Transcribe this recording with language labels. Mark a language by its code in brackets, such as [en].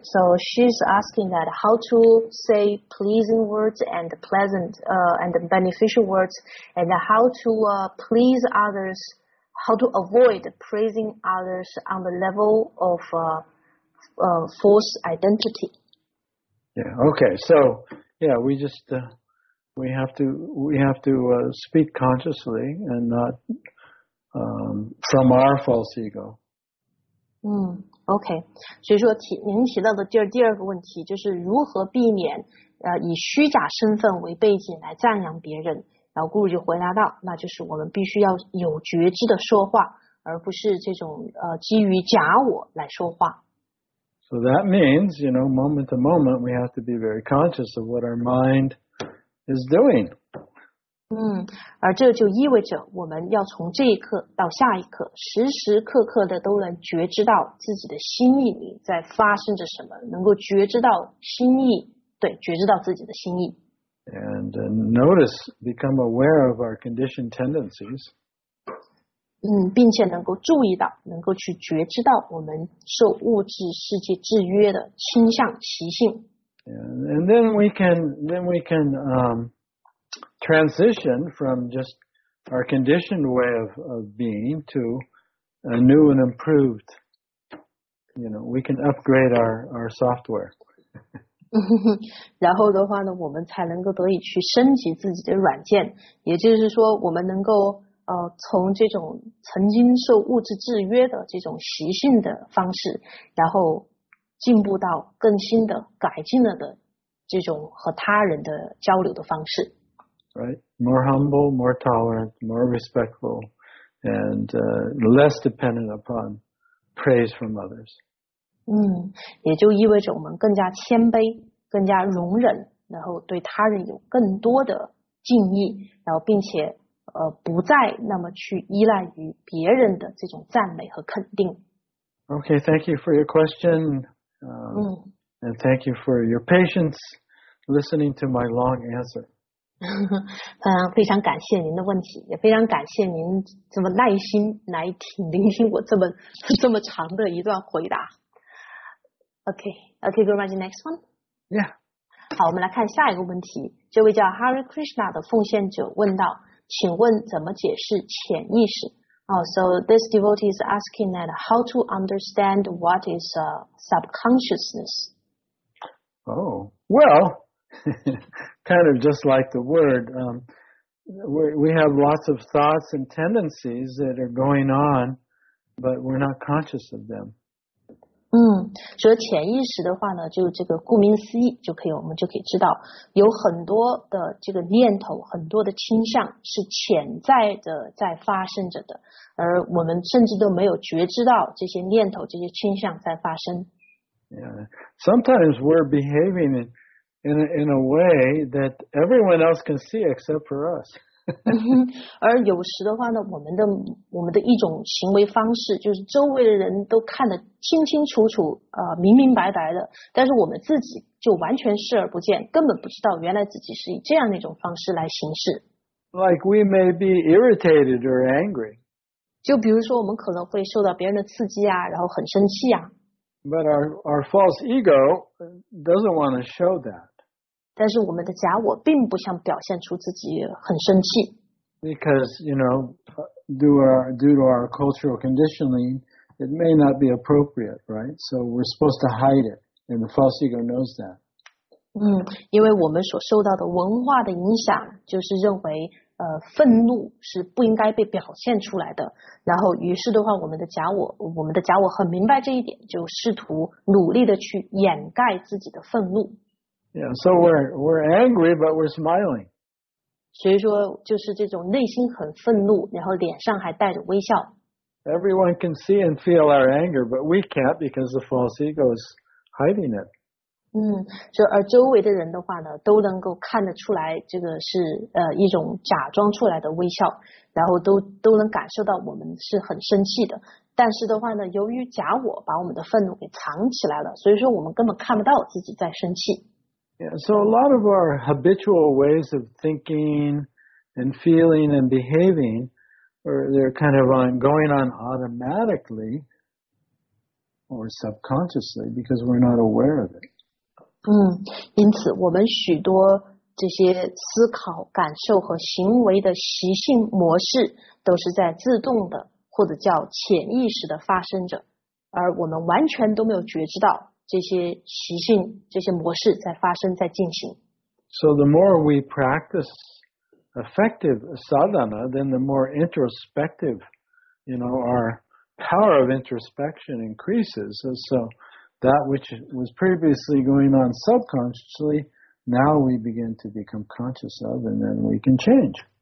[en] So she's asking that how to say pleasing words and pleasant and beneficial words, and how to please others, how to avoid praising others on the level of false identity. Yeah, okay. So, yeah, we just... We have to speak consciously and not from our false ego. Okay. [zh] 所以说您提到的第二个问题就是如何避免以虚假身份为背景来赞扬别人。然后 Guru 就回答到，那就是我们必须要有觉知的说话，而不是这种基于假我来说话。 [en] So that means, you know, moment to moment, we have to be very conscious of what our mind. Is doing. [zh] 而这就意味着我们要从这一刻到下一刻，时时刻刻的都能觉知到自己的心意里在发生着什么，能够觉知到心意，对，觉知到自己的心意。 [en] And notice, become aware of our conditioned tendencies. [zh] 并且能够注意到，能够去觉知到我们受物质世界制约的倾向习性。 [en] And then we can transition from just our conditioned way of being to a new and improved, you know, we can upgrade our software. [zh] 然后的话呢，我们才能够得以去升级自己的软件，也就是说我们能够从这种曾经受物质制约的这种习性的方式，然后进步到更新的改进了的这种和他人的交流的方式。 [en] Right, more humble, more tolerant, more respectful, and less dependent upon praise from others. [zh] 也就意味着我们更加谦卑，更加容忍，然后对他人有更多的敬意，然后并且不再那么去依赖于别人的这种赞美和肯定。 [en] Okay, thank you for your question. And thank you for your patience listening to my long answer. [zh] 非常感谢您的问题，也非常感谢您这么耐心来聆听我这么长的一段回答。 Okay, go right to the next one. Yeah. 好，我们来看下一个问题。这位叫 Hare Krishna 的奉献者问道：“请问怎么解释潜意识？” [en] So this devotee is asking that how to understand what is subconsciousness. Oh, well, kind of just like the word, we have lots of thoughts and tendencies that are going on, but we're not conscious of them. [zh] 所以潜意识的话呢，就这个顾名思义就可以，我们就可以知道有很多的这个念头，很多的倾向是潜在的在发生着的，而我们甚至都没有觉知到这些念头，这些倾向在发生。 [en] Yeah, sometimes we're behaving in a way that everyone else can see except for us. [zh] 而有时的话呢，我们的一种行为方式就是周围的人都看得清清楚楚，明明白白的，但是我们自己就完全视而不见，根本不知道原来自己是以这样的一种方式来行事。 [en] Like we may be irritated or angry. [zh] 就比如说我们可能会受到别人的刺激啊，然后很生气啊。 [en] But our false ego doesn't want to show that. [zh] 但是我们的假我并不想表现出自己很生气。 [en] Because, you know, due to our cultural conditioning, it may not be appropriate, right? So we're supposed to hide it, and the false ego knows that. [zh] 因为我们所受到的文化的影响就是认为愤怒是不应该被表现出来的，然后于是的话我们的假我很明白这一点，就试图努力的去掩盖自己的愤怒。 [en] Yeah, so we're angry, but we're smiling. [zh] 所以说就是这种内心很愤怒，然后脸上还带着微笑。 [en] Everyone can see and feel our anger, but we can't because the false ego is hiding it. [zh] 而周围的人的话呢，都能够看得出来，这个是一种假装出来的微笑，然后都能感受到我们是很生气的。但是的话呢，由于假我把我们的愤怒给藏起来了，所以说我们根本看不到自己在生气。 [en] Yeah, so a lot of our habitual ways of thinking and feeling and behaving or they're kind of on, going on automatically or subconsciously because we're not aware of it. [zh] 因此我们许多这些思考、感受和行为的习性模式都是在自动的或者叫潜意识的发生着，而我们完全都没有觉知到这些习性、这些模式在发生、在进行。 [en] So the more we practice effective sadhana, then the more introspective, you know, our power of introspection increases. So that which was previously going on subconsciously, now we begin to become conscious of, and then we can change.